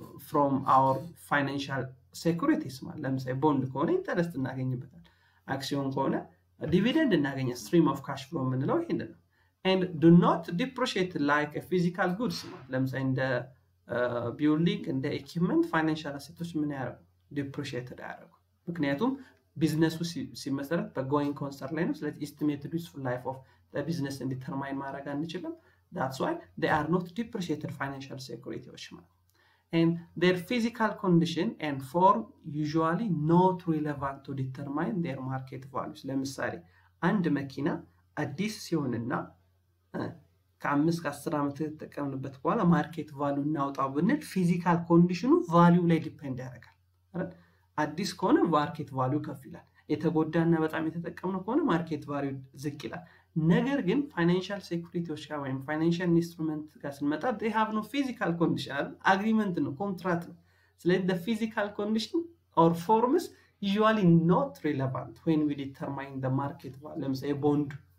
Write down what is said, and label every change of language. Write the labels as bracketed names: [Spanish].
[Amharic] from our financial securities ማለት ለምሳሌ ቦንድ ከሆነ interest እናገኝበታል አክሲዮን ከሆነ dividend እናገኛ [English] stream of cash flow [Amharic] ምንለው ይሄን ነው [English] and do not depreciate like a physical goods [Amharic] ማለት ለምሳሌ እንደ building እንደ equipment financial assets ምን ያረጉ depreciate ያረጉ ምክንያቱም ቢዝነሱ ሲመሰረት በgoing concern ላይ ነው ስለዚህ [English] estimated useful life of the business [Amharic] እንዴት ተርማይን ማድረግ አንችልም [English] That's why they are not depreciated financial securities. And their physical condition and form usually not relevant to determine their market values. [Amharic] ለምሳሌ አንድ መኪና አዲስ ሲሆንና ከአምስት ከአስር ዓመት ተጠቀምንበት በኋላ market value እናውጣው ብንል physical conditionው value ላይ depend ያደርጋል አይደል? አዲስ ከሆነ market value ከፍ ይላል። የተጎዳና በጣም የተጠቀምነው ከሆነ market value ዝቅ ይላል። ነገር ግን financial securities ጋር ወይም financial instrument ጋር ስንመጣ [English] they have no physical condition [Amharic] agreement ነው contract ነው ስለዚህ [English] the physical condition or forms usually not relevant when we determine the market value [Amharic] ለምሳሌ bond